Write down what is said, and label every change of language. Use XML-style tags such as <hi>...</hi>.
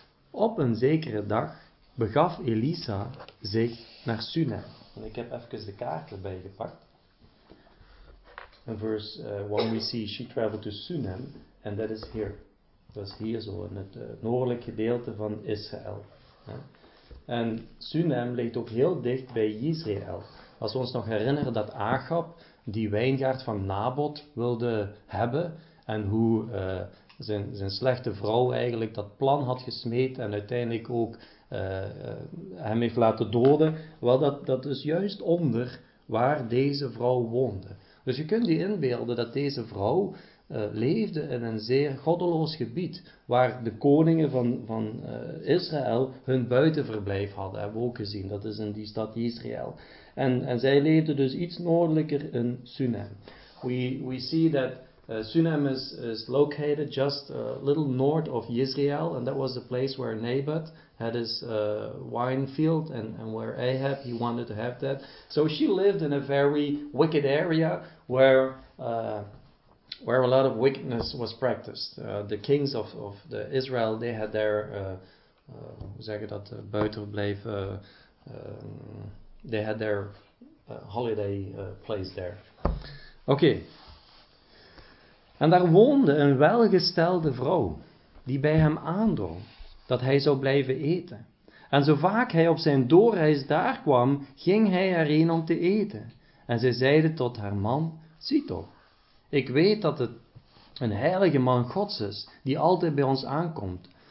<nl>Op een zekere dag begaf Elisa zich naar Sunem. En ik heb even de kaart erbij gepakt.</nl> <en>In verse 1 we see she traveled to Sunem, and that is here.</en> <nl>Dat is hier zo, in het noordelijke gedeelte van Israël. En Sunem ligt ook heel dicht bij Israël. Als we ons nog herinneren dat Achab die wijngaard van Naboth wilde hebben, en hoe zijn slechte vrouw eigenlijk dat plan had gesmeed en uiteindelijk ook hem heeft laten doden. Wel, dat is juist onder waar deze vrouw woonde. Dus je kunt je inbeelden dat deze vrouw leefde in een zeer goddeloos gebied, waar de koningen van Israël hun buitenverblijf hadden, hebben we ook gezien. Dat is in die stad Israël. En zij leefde dus iets noordelijker in Sunem.</nl> <en>We see that Sunem is located just a little north of Israel, and that was the place where Naboth had his wine field, and where Ahab, he wanted to have that. So she lived in a very wicked area where a lot of wickedness was practiced. The kings of the Israel, they had their holiday place there. Okay.</en> <nl>En daar woonde een welgestelde vrouw, die bij hem aandrong, dat hij zou blijven eten. En zo vaak hij op zijn doorreis daar kwam, ging hij erheen om te eten. En zij zeide tot haar man, zie toch, ik weet dat het een heilige man Gods is, die altijd bij ons aankomt.</nl>